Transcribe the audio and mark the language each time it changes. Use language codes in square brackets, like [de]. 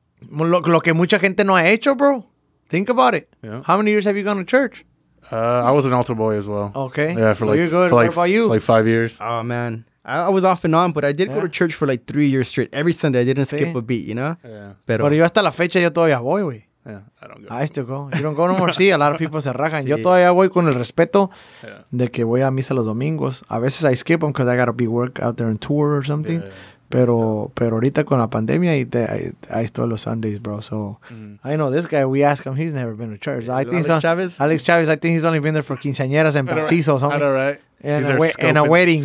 [es] Lo que mucha gente no ha hecho, bro. [en] Think about it. Yeah. How many years have you gone to church? I was an altar boy as well. Okay. Yeah, for so you're good. For what about you? Like 5 years. Oh, man. I was off and on, but I did go to church for like 3 years straight. Every Sunday, I didn't skip a beat, you know? Yeah. [es] Pero yo hasta la fecha, yo todavía voy, güey. [en] Yeah, I don't go. I still go. You don't go no more? Sí, a lot of people [es] se rajan. [en] Sí. [es] Yo todavía voy con el respeto de que voy a misa los domingos. A veces [en] I skip them because I got to be work out there on tour or something. Yeah. [es] Pero ahorita con la pandemia, [en] I still [es] los Sundays, bro. [en] So, I know this guy, we ask him, he's never been to church. I think Alex Chavez, I think he's only been there for quinceañeras and bautizos, homie. I know, right? And a wedding.